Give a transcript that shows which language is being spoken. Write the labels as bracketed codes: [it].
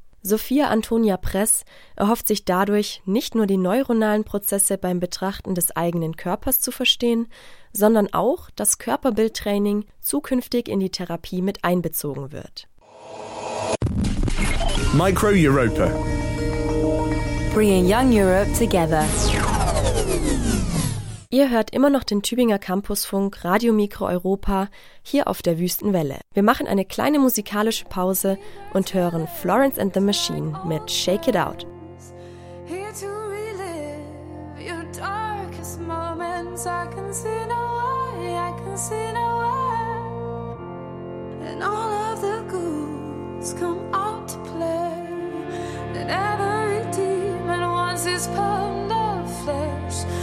[de] Sophia Antonia Press erhofft sich dadurch, nicht nur die neuronalen Prozesse beim Betrachten des eigenen Körpers zu verstehen, sondern auch, dass Körperbildtraining zukünftig in die Therapie mit einbezogen wird. [en] Micro Europa. Bringing young Europe together. [de] Ihr hört immer noch den Tübinger Campusfunk Radio Mikro Europa hier auf der Wüstenwelle. Wir machen eine kleine musikalische Pause und hören Florence and the Machine mit Shake It Out. [en] Here to relive your darkest moments. I can see no way, I can see no way. And all of the ghouls come out to play. And every demon wants his pound of flesh.